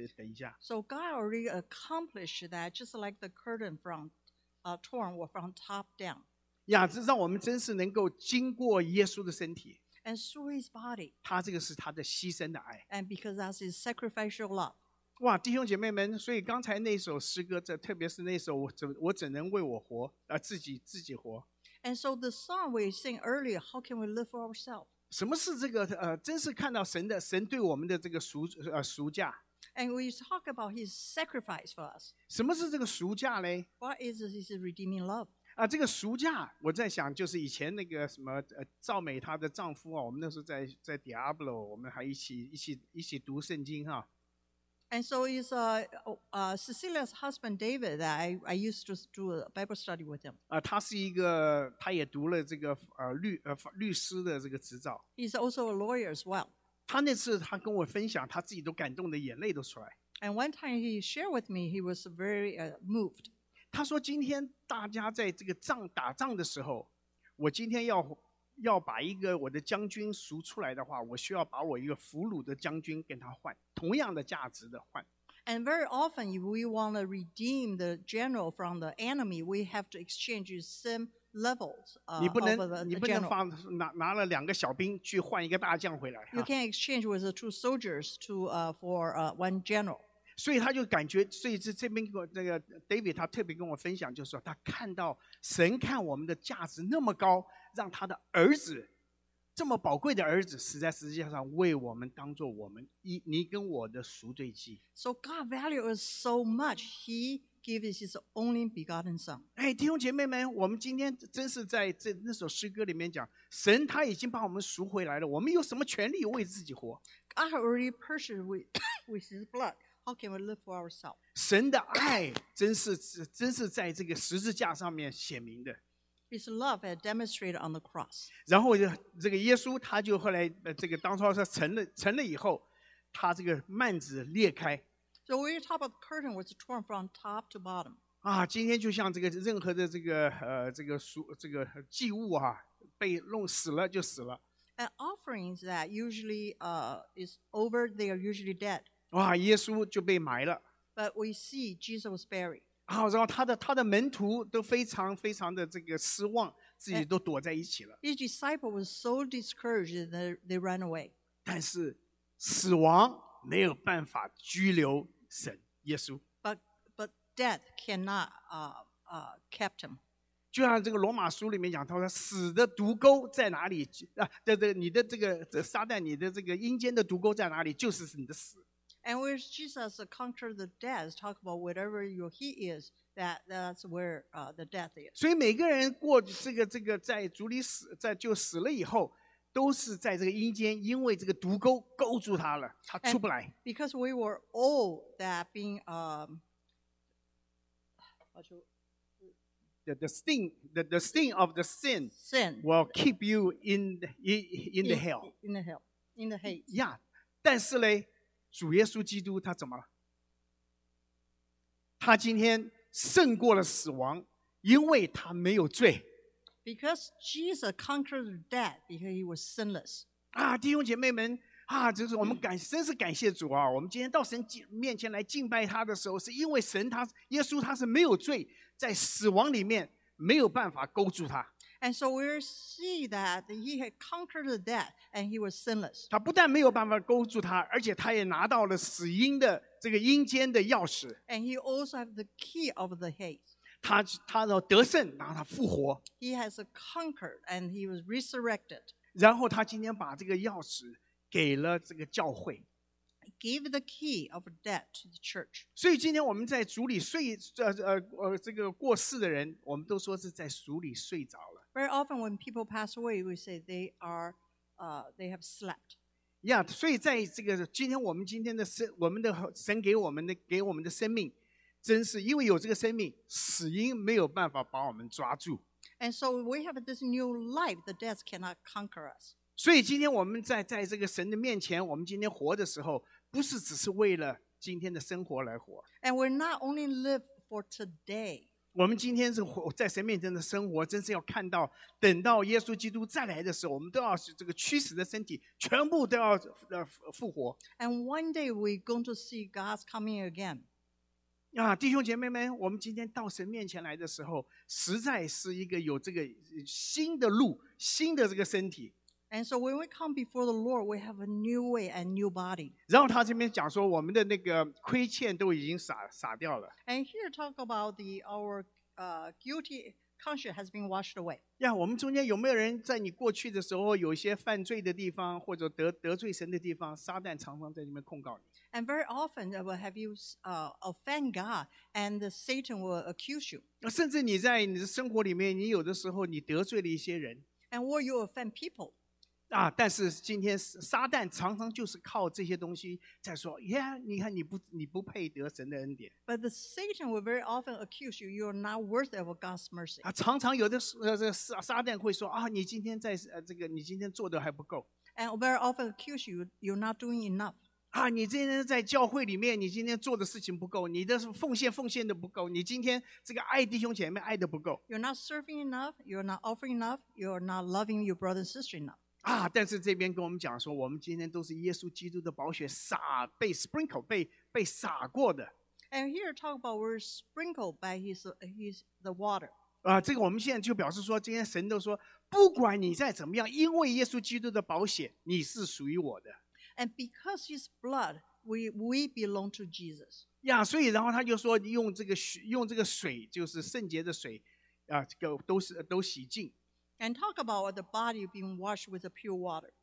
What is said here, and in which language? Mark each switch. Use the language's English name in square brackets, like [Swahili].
[Chinese] 等一下。 [English] So God already accomplished that, just like the curtain from torn or from top down. [Chinese] 呀，这让我们真是能够经过耶稣的身体。 [English] And through His body. [Chinese] 他这个是他的牺牲的爱。 [English] And because that's His sacrificial love. [Chinese] 哇，弟兄姐妹们，所以刚才那首诗歌，这特别是那首我怎能为我活啊、自己活 [English] ？And so the song we sing earlier, how can we live for ourselves? [Chinese] 什么是这个真是看到神对我们的这个赎价 [English] ？And we talk about His sacrifice for us. [Chinese] 什么是这个赎价嘞 [English] ？What is His redeeming love? [Chinese] 啊，这个赎价，我在想，就是以前那个什么赵美她的丈夫啊，我们那时候在 Diablo， 我们还一起读圣经哈。 [English] And so it's Cecilia's husband David that I used to do a Bible study with him. [Chinese] 他是一个，他也读了这个律师的这个执照。 [English] He's also a lawyer as well. [Chinese] 他那次他跟我分享，他自己都感动的眼泪都出来。 [English] And one time he shared with me, he was very moved. [Chinese] 他说今天大家在这个仗打仗的时候，我今天要把一个我的将军赎出来的话，我需要把我一个俘虏的将军跟他换，同样的价值的换。 [English] And very often, if we want to redeem the general from the enemy, we have to exchange the same levels of the general. You can't exchange with the two soldiers to, for one general. [Chinese] 所以他就感觉，所以这边那个 David 他特别跟我分享，就是说他看到神看我们的价值那么高，让他的儿子这么宝贵的儿子死在十字架上，为我们当做我们你跟我的赎罪祭。 [English] So God valued us so much, He gave His only begotten Son. [Chinese] 哎，弟兄姐妹们，我们今天真是在这那首诗歌里面讲，神他已经把我们赎回来了，我们有什么权利为自己活 [English] ？God already purchased with His blood. How can we live for ourselves? [Chinese] 神的爱真是在这个十字架上面显明的。 [English] His love had demonstrated on the cross. [Chinese] 然后这个耶稣他就后来这个当初他成了以后，他这个幔子裂开。 [English] So the top of the curtain was torn from top to bottom. [Chinese] 啊，今天就像这个任何的这个这个祭物啊，被弄死了就死了。 [English] And offerings that usually is over, they are usually dead. [Chinese] 哇，耶稣就被埋了。 [English] But we see Jesus was buried. [Chinese] 啊，然后他的门徒都非常非常的这个失望，自己都躲在一起了。 [English] His disciples were so discouraged that they ran away. [Chinese] 但是死亡没有办法拘留神耶稣。 [English] But death cannot keep him. [Chinese] 就像这个罗马书里面讲，他说死的毒钩在哪里？啊，对，你的这个撒旦，你的这个阴间的毒钩在哪里？就是你的死。 [English] And when Jesus conquered the death, talk about whatever your he is, that's where the death is. 所以每个人过这个在主里死，在就死了以后，都是在这个阴间，因为这个毒钩勾住他了，他出不来。 And、because we were all that being the sting of the sin will keep you in the hell. Yeah, [Chinese] 但是嘞。主耶稣基督他怎么了？他今天胜过了死亡，因为他没有罪。 [English] Because Jesus conquered death because he was sinless. [Chinese] 啊，弟兄姐妹们啊，就是我们真是感谢主啊！我们今天到神面前来敬拜他的时候，是因为神他耶稣他是没有罪，在死亡里面没有办法勾住他。 [English] And so we see that he had conquered death and he was sinless. [Chinese] 他不但没有办法勾住他，而且他也拿到了死因的这个阴间的钥匙。 [English] And he also has the key of the Hades. [Chinese] 他要得胜，然后他复活。 [English] He has conquered and he was resurrected. [Chinese] 然后他今天把这个钥匙给了这个教会。 [English] Give the key of death to the church. [Chinese] 所以今天我们在主里睡，这个过世的人，我们都说是在主里睡着了。 [English] Very often when people pass away, we say they are, they have slept. Yeah, [Chinese] 所以在这个今天的神给我们的生命，真是因为有这个生命，死因没有办法把我们抓住。 [English] And so we have this new life, the death cannot conquer us. [Chinese] 所以今天我们在这个神的面前，我们今天活的时候，不是只是为了今天的生活来活。 [English] And we're not only live for today. [Chinese] 我们今天是在神面前的生活，真是要看到，等到耶稣基督再来的时候，我们都要是这个屈死的身体，全部都要复活。 [English] And one day we're going to see God's coming again. [Chinese] 啊，弟兄姐妹们，我们今天到神面前来的时候，实在是一个有这个新的路，新的这个身体。 [English] And so when we come before the Lord, we have a new way and new body. [Chinese] 然后他这边讲说，我们的那个亏欠都已经洒掉了。 [English] And here talk about our guilty conscience has been washed away. [Chinese] 呀，我们中间有没有人在你过去的时候有一些犯罪的地方，或者得罪神的地方，撒旦常常在里面控告你。 [English] And very often, have you offend God, and Satan will accuse you. [Chinese] 甚至你在你的生活里面，你有的时候你得罪了一些人。 [English] And will you offend people? [Chinese] 啊，但是今天撒旦常常就是靠这些东西在说，耶，你看你不配得神的恩典。 [English] But the Satan will very often accuse you are not worth of God's mercy. [Chinese] 啊，常常有的撒旦会说啊，你今天做的还不够。 [English] And very often accuse you are not doing enough. [Chinese] 啊，你今天在教会里面，你今天做的事情不够，你的奉献的不够，你今天这个爱弟兄姐妹爱的不够。 [English] You're not serving enough. You're not offering enough. You're not loving your brother and sister enough. [Chinese] 啊，但是这边跟我们讲说，我们今天都是耶稣基督的宝血洒，被 [English] sprinkle [Chinese] 被洒过的。 [English] And here talk about we're sprinkled by his the water. [Chinese] 啊，这个我们现在就表示说，今天神都说，不管你再怎么样，因为耶稣基督的宝血，你是属于我的。 [English] And because his blood, we belong to Jesus. Yeah, [Chinese] 所以然后他就说用这个水，就是圣洁的水，啊，这个都洗净。 [English] And talk about the body being washed with the pure water.